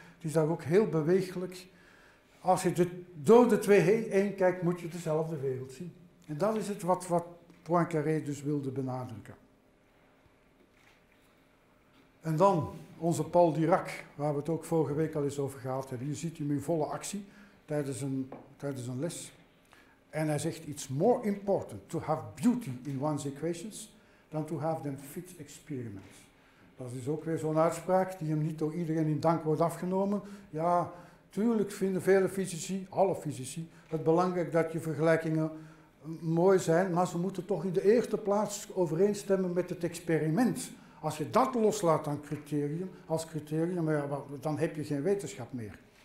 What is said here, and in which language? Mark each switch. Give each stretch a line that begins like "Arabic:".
Dutch: Het is daar ook heel bewegelijk. Als je door de twee heen kijkt, moet je dezelfde wereld zien. En dat is het wat Poincaré dus wilde benadrukken. En dan, onze Paul Dirac, waar we het ook vorige week al eens over gehad hebben. Je ziet hem in volle actie tijdens een les. En hij zegt,
English: it's more important to have beauty in one's equations than to have them fit experiments.
Dutch: Dat is ook weer zo'n uitspraak die hem niet door iedereen in dank wordt afgenomen. Ja, tuurlijk vinden vele fysici, alle fysici, het belangrijk dat je vergelijkingen mooi zijn, maar ze moeten toch in de eerste plaats overeenstemmen met het experiment. Als je dat loslaat als criterium, dan heb je geen wetenschap meer.